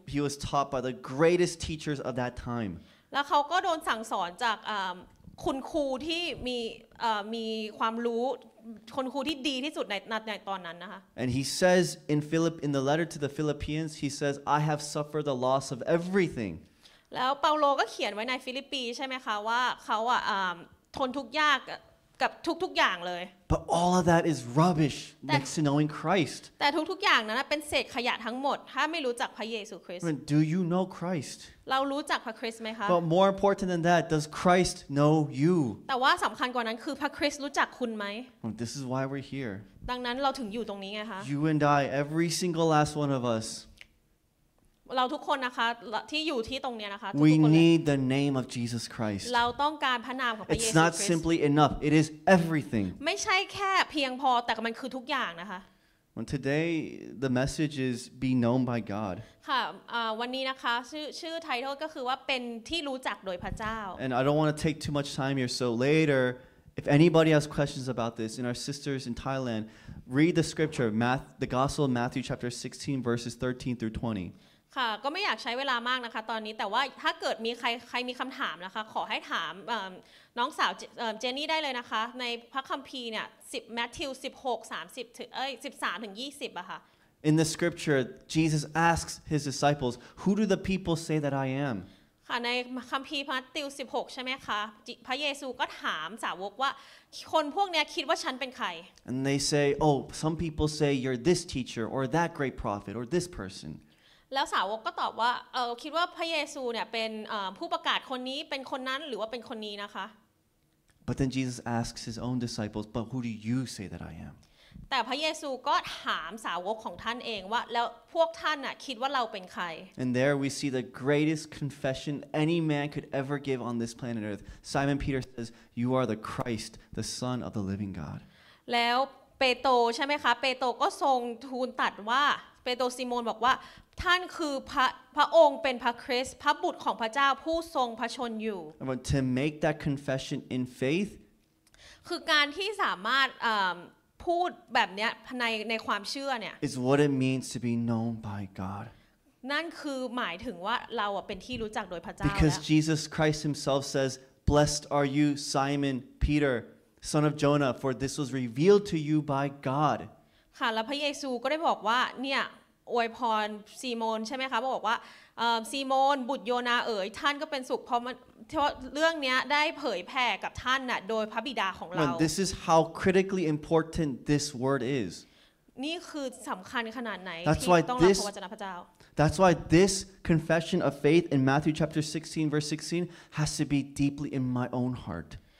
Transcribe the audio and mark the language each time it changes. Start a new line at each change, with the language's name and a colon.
English: He was taught by the greatest teachers of that time
Thai: แล้วเขาก็โดนสั่งสอนจากคุณครูที่มีความรู้คุณครูที่ดีที่สุดในตอนนั้นนะคะ
English: And he says in the letter to the Philippians he says I have suffered the loss of everything
Thai: แล้วเปาโลก็เขียนไว้ในฟิลิปปีใช่มั้ยคะว่าเขาอ่ะทนทุกข์ยากกับทุกๆอย่างเลย
English: But all of that is rubbish next to knowing Christ
Thai: แต่ทุกๆอย่างนั้นเป็นเศษขยะทั้งหมดถ้าไม่รู้จักพระเยซูคริสต์
English: Do you know Christ
Thai: เรารู้จักพระคริสต์ไหมคะ
English: But more important than that does Christ know you
Thai: แต่ว่าสำคัญกว่านั้นคือพระคริสต์รู้จักคุณไหม
English: This is why we're here
Thai: ดังนั้นเราถึงอยู่ตรงนี้ไงคะ
English: You and I every single last one of us
Thai: เราทุกคนนะคะที่อยู่ที่ตรงนี้นะคะทุกคน
English: We need the name of Jesus Christ
Thai: เราต้องการพระนามของพระเยซ คริ
English: สต์ It's not simply enough it is everything
Thai: ไม่ใช่แค่เพียงพอแต่มันคือทุกอย่างนะคะ
English: And today the message is be known by God.
Thai: ค่ะวันนี้นะคะชื่อ title ก็คือว่าเป็นที่รู้จักโดยพระเจ้า
English: And I don't want to take too much time here, so later, if anybody has questions about this, and our sisters in Thailand, read the scripture, the Gospel of Matthew chapter 16, verses 13 through 20.
Thai: ค่ะก็ไม่อยากใช้เวลามากนะคะตอนนี้แต่ว่าถ้าเกิดมีใครมีคำถามนะคะขอให้ถามน้องสาวเจนนี่ได้เลยนะคะในพระคัมภีร์เนี่ย10 Matthew 16 30ถึงเอ้ย13ถึง20อะค่ะ
English: In the scripture Jesus asks his disciples who do the people say that I am
Thai: ค่ะในคัมภีร์มัทธิว16ใช่ไหมคะพระเยซูก็ถามสาวกว่าคนพวกเนี้ยคิดว่าฉันเป็นใคร
English: And they say oh some people say you're this teacher or that great prophet or this person
Thai: แล้วสาวกก็ตอบว่าคิดว่าพระเยซูเนี่ยเป็นผู้ประกาศคนนี้เป็นคนนั้นหรือว่าเป็นคนนี้นะคะ
English: But then Jesus asks his own disciples, "But who do you say that I am?"
Thai: แต่พระเยซูก็ถามสาวกของท่านเองว่าแล้วพวกท่านน่ะคิดว่าเราเป็นใคร
English: And there we see the greatest confession any man could ever give on this planet Earth. Simon Peter says, "You are the Christ, the Son of the Living God."
Thai: แล้วเปโตรใช่ไหมคะเปโตรก็ทรงทูลตรัสว่าเปโตรซิโมนบอกว่าท่านคือพระองค์เป็นพระคริสต์พระบุตรของพระเจ้าผู้ทรงพระชนอยู่
English: But to make that confession in faith
Thai: คือการที่สามารถพูดแบบเนี้ยในความเชื่อเนี่ย
English: is what it means to be known by God
Thai: นั่นคือหมายถึงว่าเราเป็นที่รู้จักโดยพระเจ้า
English: Because Jesus Christ himself says blessed are you Simon Peter son of Jonah for this was revealed to you by God
Thai: ค่ะแล้วพระเยซูก็ได้บอกว่าเนี่ยอวยพรซีโมนใช่ไหมคะบอกว่าซีโมนบุตรโยนาเอ๋ยท่านก็เป็นสุขเพราะเรื่องนี้ได้เผยแผ่กับท่านน่ะโดยพระบิดาของเรา
English: This is how critically important this word is
Thai: นี่คือสำคัญขนาดไหน ที่ ต้อง รับ พระวจนะพระเจ้า
English: That's why this confession of faith in Matthew chapter 16 verse 16 has to be deeply in my own heart